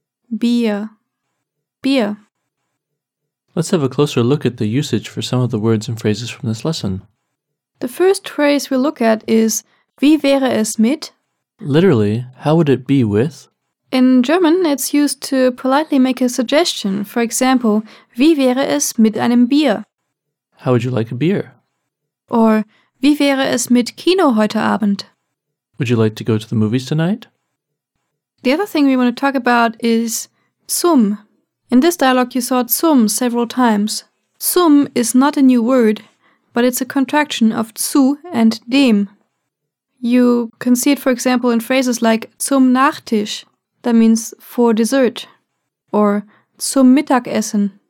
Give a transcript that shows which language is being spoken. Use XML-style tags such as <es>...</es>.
<de>Bier. Bier.</de> <en>Let's have a closer look at the usage for some of the words and phrases from this lesson. The first phrase we look at is</en> <de>wie wäre es mit?</de> <en>Literally, how would it be with? In German, it's used to politely make a suggestion. For example,</en> <de>wie wäre es mit einem Bier?</de> <en>How would you like a beer? Or</en> <de>wie wäre es mit Kino heute Abend?</de> <en>Would you like to go to the movies tonight? The other thing we want to talk about is zum. In this dialogue, you saw zum several times. Zum is not a new word, but it's a contraction of zu and dem. You can see it, for example, in phrases like</en> <de>zum Nachtisch,</de> <en>that means for dessert, or</en> <de>zum Mittagessen,</de>